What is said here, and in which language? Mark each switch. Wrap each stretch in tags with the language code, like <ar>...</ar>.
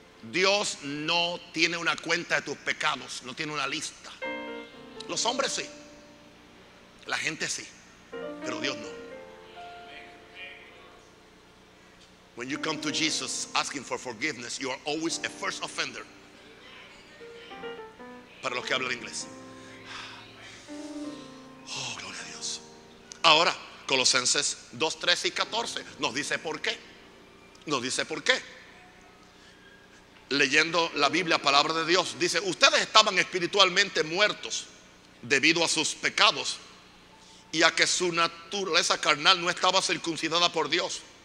<es>Dios no tiene una cuenta de tus pecados, no tiene una lista. Los hombres sí, la gente sí, pero Dios no.</es> <en>When you come to Jesus asking for forgiveness, you are always a first offender.</en> <es>Para los que hablan inglés. Oh, gloria a Dios. Ahora, Colosenses 2, 13 y 14 nos dice por qué. Nos dice por qué. Leyendo la Biblia, palabra de Dios, dice: ustedes estaban espiritualmente muertos debido a sus pecados y a que su naturaleza carnal no estaba circuncidada por Dios.</es>